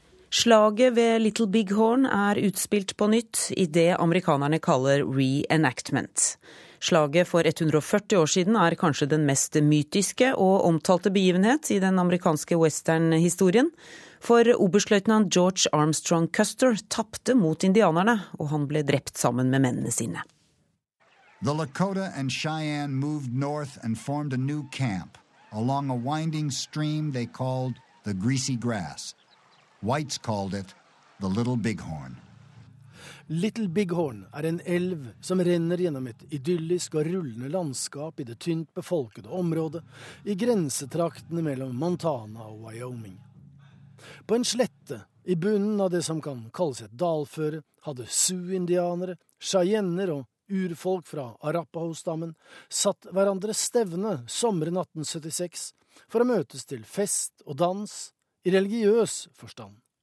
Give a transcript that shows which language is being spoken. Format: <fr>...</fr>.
<no>Slaget ved Little Big Horn er utspilt på nytt i det amerikanerne kaller reenactment. Slaget for 140 år siden er kanskje den mest mytiske og omtalte begivenhet i den amerikanske western-historien. For oberstløytnant George Armstrong Custer tapte mot indianerne, og han ble drept sammen med mennene sine.</no> <en>The Lakota and Cheyenne moved north and formed a new camp along a winding stream they called the Greasy Grass. Whites called it the Little Bighorn.</en> <no>Little Bighorn er en elv som renner gjennom et idyllisk og rullende landskap i det tynt befolkede området i grensetraktene mellom Montana og Wyoming. På en slette i bunnen av det som kan kalles et dalføre hadde Sioux-indianere, Cheyenner og urfolk fra Arapaho-stammen satt hverandre stevne sommeren 1876 for å møtes til fest og dans i religiøs forstand.</no>